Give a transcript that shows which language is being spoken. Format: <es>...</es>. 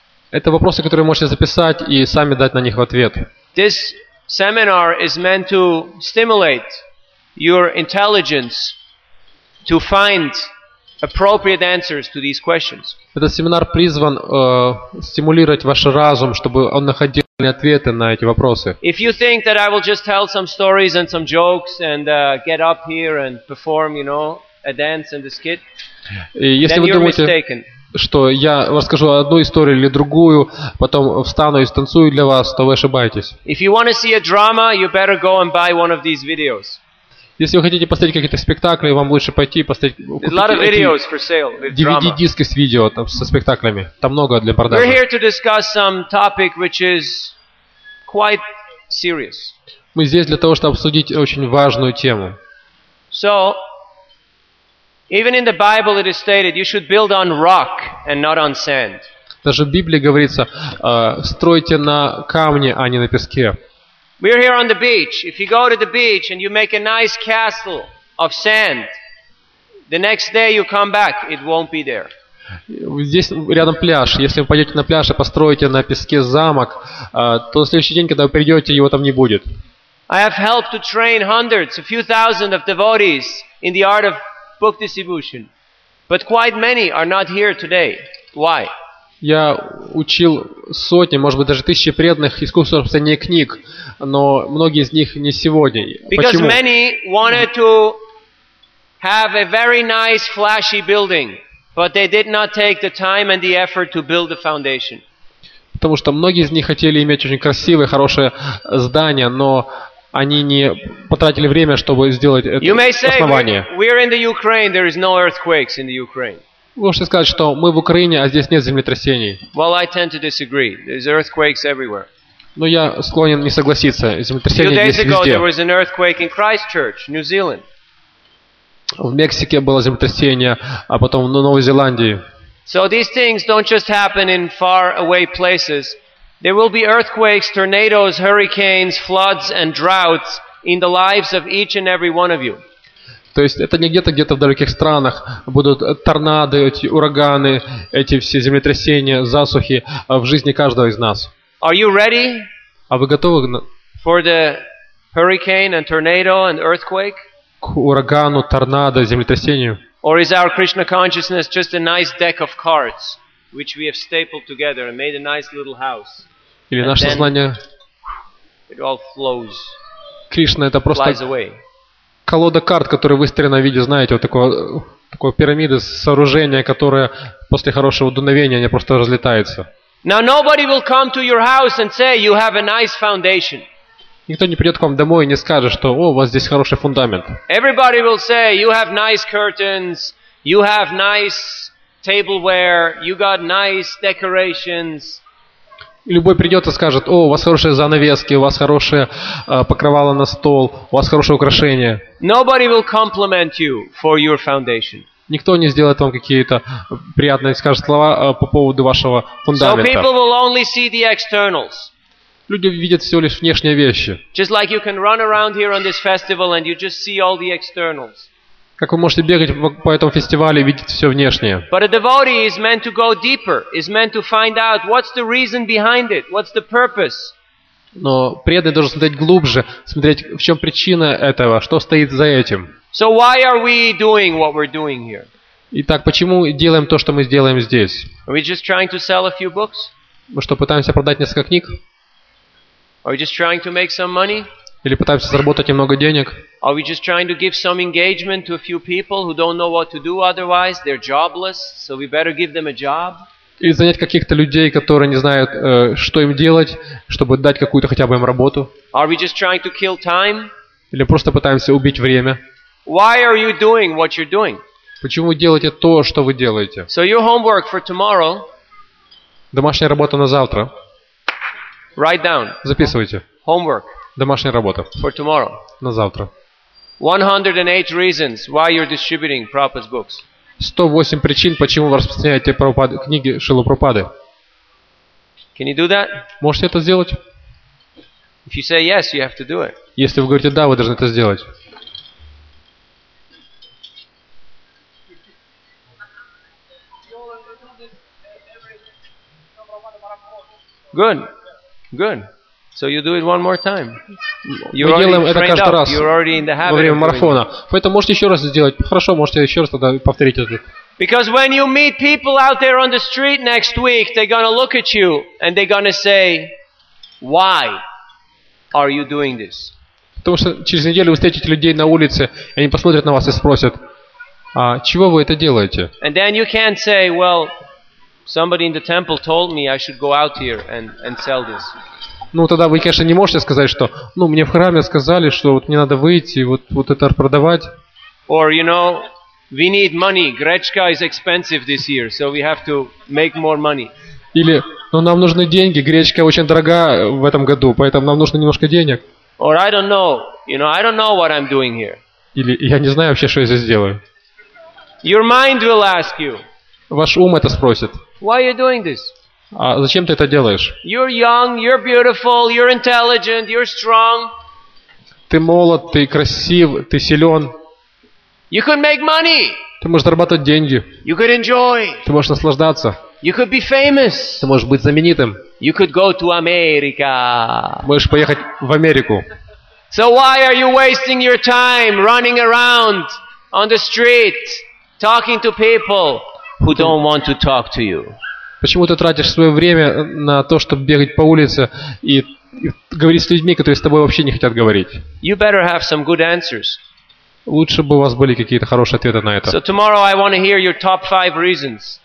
<ru>Это вопросы, которые вы можете записать и сами дать на них ответ.</ru> <en>This seminar is meant to stimulate your intelligence to find appropriate answers to these questions.</en> <ru>Этот семинар призван стимулировать ваш разум, чтобы он находил ответы на эти вопросы.</ru> <en>If you think that I will just tell some stories and some jokes and get up here and perform, you know, a dance and a skit, then you're mistaken.</en> <ru>Что я расскажу одну историю или другую, потом встану и станцую для вас, то вы ошибаетесь.</ru> <en>If you want to see a drama, you better go and buy one of these videos.</en> <ru>Если вы хотите посмотреть какие-то спектакли, вам лучше пойти посмотреть DVD-диски с видео там, со спектаклями. Там много для продажи.</ru> <en>We're here to discuss some topic which is quite serious.</en> <ru>Мы здесь для того, чтобы обсудить очень важную тему.</ru> <en>So, even in the Bible it is stated you should build on rock and not on sand.</en> <ru>Даже в Библии говорится, стройте на камне, а не на песке.</ru> <en>We are here on the beach. If you go to the beach and you make a nice castle of sand, the next day you come back, it won't be there.</en> <ru>Здесь рядом пляж. Если вы пойдете на пляж и построите на песке замок, то на следующий день, когда вы придете, его там не будет.</ru> <en>I have helped to train hundreds, a few thousand of devotees in the art of book distribution. But quite many are not here today. Why?</en> <ru>Я учил сотни, может быть, даже тысячи преданных искусству распространения книг, но многие из них не сегодня.</ru> <en>Because many wanted to have a very nice, flashy building, but they did not take the time and the effort to build the foundation.</en> <ru>Потому что многие из них хотели иметь очень красивое, хорошее здание, но они не потратили время, чтобы сделать это основание.</ru> <en>We're in the Ukraine, there is no earthquakes in the Ukraine.</en> <ru>Вы можете сказать, что мы в Украине, а здесь нет землетрясений.</ru> <en>Well, I tend to disagree. There's earthquakes everywhere.</en> <ru>Но я склонен не согласиться. Землетрясения здесь везде.</ru> <en>Few days ago, there was an earthquake in Christchurch, New Zealand.</en> <ru>В Мексике было землетрясение, а потом в Новой Зеландии.</ru> <en>So these things don't just happen in far away places. There will be earthquakes, tornadoes, hurricanes, floods and droughts in the lives of each and every one of you.</en> <ru>То есть это не где-то, где-то в далеких странах будут торнадо, эти ураганы, эти все землетрясения, засухи в жизни каждого из нас.</ru> <en>Are you ready?</en> <ru>А вы готовы</ru> <en>for the hurricane and tornado and earthquake?</en> <ru>К урагану, торнадо, землетрясению?</ru> <en>Or is our Krishna consciousness just a nice deck of cards which we have stapled together and made a nice little house?</en> <ru>Или наше сознание?</ru> <en>It all flows.</en> <ru>Кришна это просто</ru> <en>flies away.</en> <ru>Колода карт, которая выстроена в виде, знаете, вот такой пирамиды, сооружения, которое после хорошего дуновения они просто разлетаются.</ru> <en>Now nobody will come to your house and say you have a nice foundation.</en> <ru>Никто не придет к вам домой и не скажет, что о, у вас здесь хороший фундамент.</ru> <en>Everybody will say you have nice curtains, you have nice tableware, you got nice decorations.</en> <ru>Любой придет и скажет, о, у вас хорошие занавески, у вас хорошее покрывало на стол, у вас хорошее украшение.</ru> <en>Nobody will compliment you for your foundation.</en> <ru>Никто не сделает вам какие-то приятные, скажет слова по поводу вашего фундамента.</ru> <en>So people will only see the externals.</en> <ru>Люди видят всего лишь внешние вещи.</ru> <en>Just like you can run around here on this festival and you just see all the externals.</en> <ru>Как вы можете бегать по этому фестивалю и видеть все внешнее?</ru> <en>But a devotee is meant to go deeper, is meant to find out what's the reason behind it, what's the purpose.</en> <ru>Но преданный должен смотреть глубже, смотреть, в чем причина этого, что стоит за этим.</ru> <en>So why are we doing what we're doing here?</en> <ru>Итак, почему делаем то, что мы делаем здесь?</ru> <en>Are we just trying to sell a few books?</en> <ru>Мы что, пытаемся продать несколько книг?</ru> <en>Are we just trying to make some money?</en> <ru>Или пытаемся заработать немного денег?</ru> <en>Are we just trying to give some engagement to a few people who don't know what to do otherwise? They're jobless, so we better give them a job.</en> <ru>И занять каких-то людей, которые не знают, что им делать, чтобы дать какую-то хотя бы им работу?</ru> <en>Are we just trying to kill time?</en> <ru>Или просто пытаемся убить время?</ru> <en>Why are you doing what you're doing?</en> <ru>Почему вы делаете то, что вы делаете?</ru> <en>So your homework for tomorrow.</en> <ru>Домашняя работа на завтра.</ru> <en>Write down.</en> <ru>Записывайте.</ru> <en>Homework.</en> <ru>Домашняя работа.</ru> <en>For tomorrow.</en> <ru>На завтра.</ru> <en>108 reasons why you're distributing Prabhupada's books.</en> <ru>108 причин, почему вы распространяете книги Шрилы Прабхупады.</ru> <en>Can you do that?</en> <ru>Можете это сделать?</ru> <en>If you say yes, you have to do it.</en> <ru>Если вы говорите да, вы должны это сделать.</ru> <en>Good. Good. So you do it one more time. You're already trained up. You're already in the habit. You're already in the habit.</en> <ru>Во время марафона. Поэтому можете еще раз сделать. Хорошо, можете еще раз тогда повторить это.</ru> <en>Because when you meet people out there on the street next week, they're gonna look at you and they're gonna say, "Why are you doing this?"</en> <ru>Потому что через неделю вы встретите людей на улице, и они посмотрят на вас и спросят, а чего вы это делаете?</ru> <en>And then you can't say, "Well, somebody in the temple told me I should go out here and sell this."</en> <ru>Ну, тогда вы, конечно, не можете сказать, что ну, мне в храме сказали, что вот мне надо выйти и вот это продавать.</ru> <en>Or, you know, we need money. Gretchka is expensive this year, so we have to make more money.</en> <ru>Или, ну, нам нужны деньги. Гречка очень дорога в этом году, поэтому нам нужно немножко денег.</ru> <en>Or I don't know. You know, I don't know what I'm doing here.</en> <ru>Или я не знаю вообще, что я здесь делаю.</ru> <en>Your mind will ask you.</en> <ru>Ваш ум это спросит.</ru> <en>Why are you doing this?</en> <ru>А зачем ты это делаешь?</ru> <en>You're young, you're beautiful, you're intelligent, you're strong.</en> <ru>Ты молод, ты красив, ты силен.</ru> <en>You could make money.</en> <ru>Ты можешь зарабатывать деньги.</ru> <en>You could enjoy.</en> <ru>Ты можешь наслаждаться.</ru> <en>You could be famous.</en> <ru>Ты можешь быть знаменитым.</ru> <en>You could go to America.</en> <ru>Можешь поехать в Америку.</ru> <en>So why are you wasting your time running around on the street talking to people who don't want to talk to you?</en> <ru>Почему ты тратишь свое время на то, чтобы бегать по улице и говорить с людьми, которые с тобой вообще не хотят говорить?</ru> <en>You better have some good answers.</en> <ru>Лучше бы у вас были какие-то хорошие ответы на это.</ru> <en>So tomorrow I want to hear your top five reasons.</en>